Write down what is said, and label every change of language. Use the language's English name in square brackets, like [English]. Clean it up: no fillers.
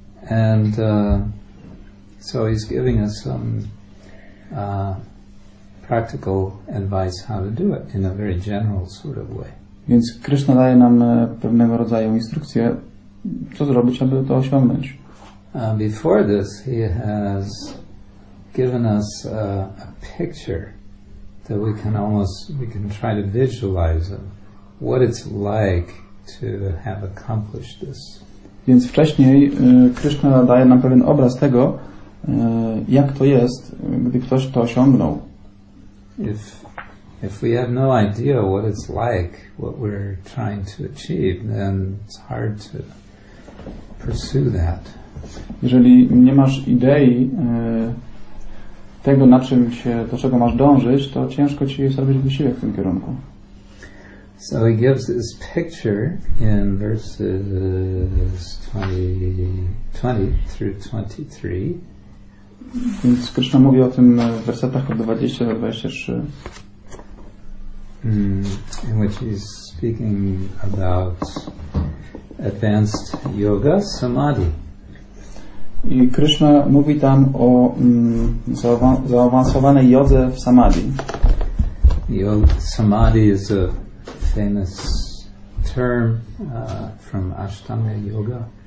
[English] And so he's giving us some practical advice how to do it in a very general sort of way. [Polish] Więc Krishna daje nam pewnego rodzaju instrukcje, co zrobić, aby to osiągnąć. [English] Before this, he has given us a picture that we can try to visualize of what it's like to have accomplished this. [Polish] Więc wcześniej Krishna daje nam pewien obraz tego, jak to jest, gdy ktoś to osiągnął. [English] If we have no idea what it's like, what we're trying to achieve, then it's hard to pursue that. [Polish] Jeżeli nie masz idei tego, na czym się, do czego masz dążyć, to ciężko ci jest robić wysiłek w tym kierunku. [English] So he gives this picture in verses 20 through 23. [Polish] Więc Krishna mówi o tym w wersetach od 20 do 23. [English] In which he's speaking about advanced yoga, samadhi. [Polish] I Krishna mówi tam o zaawansowanej jodze w samadhi. [English] Samadhi is a famous term from Ashtanga Yoga.